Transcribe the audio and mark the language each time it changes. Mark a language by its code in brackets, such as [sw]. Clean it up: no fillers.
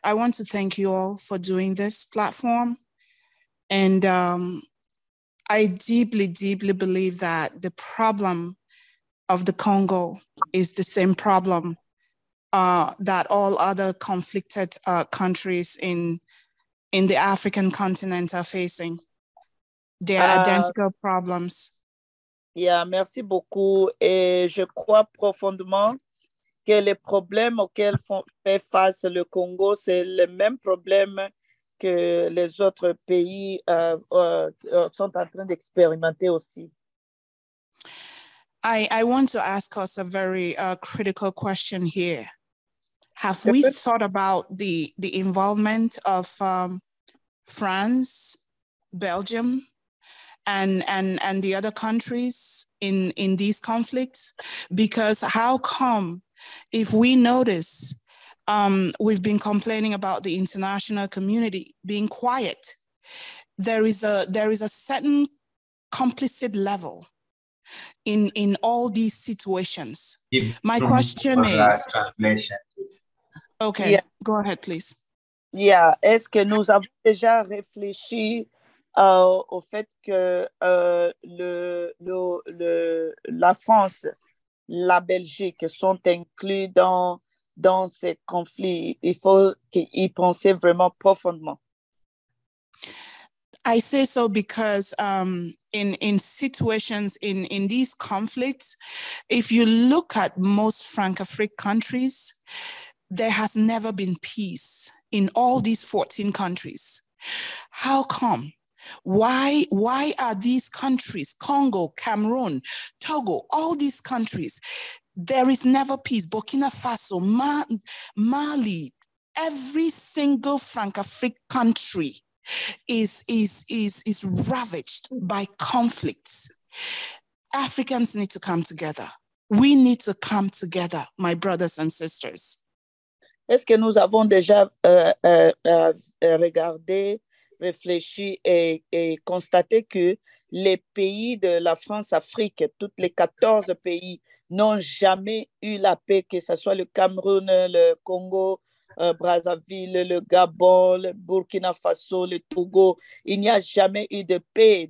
[en] I want to thank you all for doing this platform. And I deeply believe that the problem of the Congo is the same problem that all other conflicted countries in the African continent are facing. They are identical problems. [fr] Yeah, merci beaucoup. Et je crois profondément que le problème auquel fait face le Congo, c'est le même problème que les autres pays sont en train d'expérimenter aussi. [en] I want to ask us a very critical question here. Have we thought about the involvement of France, Belgium, and the other countries in these conflicts? Because how come, if we notice, we've been complaining about the international community being quiet, there is a certain complicit level in all these situations. My question is, okay, yeah. Go ahead, please. [fr] Yeah, est-ce que nous avons déjà réfléchi au fait que la France, la Belgique sont inclus dans ces conflits? Il faut y penser vraiment profondément. [en] I say so because in situations in these conflicts, if you look at most Francophone countries, there has never been peace in all these 14 countries. How come? Why are these countries, Congo, Cameroon, Togo, all these countries, there is never peace? Burkina Faso, Mali, every single Francophone country is ravaged by conflicts. Africans need to come together. We need to come together, my brothers and sisters. [fr] Est-ce que nous avons déjà regardé, réfléchi et constaté que les pays de la France-Afrique, toutes les 14 pays, n'ont jamais eu la paix, que ce soit le Cameroun, le Congo, Brazzaville, le Gabon, le Burkina Faso, le Togo, il n'y a jamais eu de paix.